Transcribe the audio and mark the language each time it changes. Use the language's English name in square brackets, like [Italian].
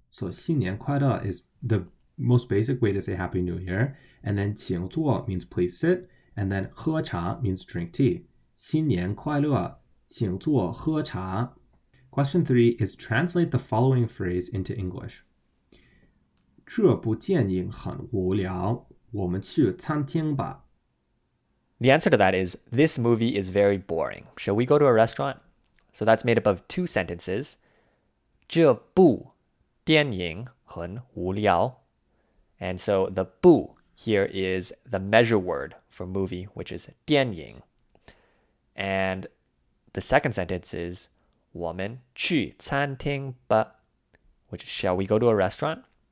[English] So [Chinese] 新年快乐 [English] is the most basic way to say Happy New Year. And then [Chinese] 请坐 [English] means please sit. And then [Chinese] 喝茶 [English] means drink tea. [Chinese] 新年快乐请坐喝茶 [English] Question 3 is translate the following phrase into English. [Chinese] 这部电影很无聊我们去餐厅吧 [English] The answer to that is, this movie is very boring. Shall we go to a restaurant? So that's made up of two sentences. [Chinese] 这部电影很无聊 [English] And so the 部 here is the measure word for movie, which is 电影And the second sentence is [Chinese] 我们去餐厅吧 [English] which is, shall we go to a restaurant?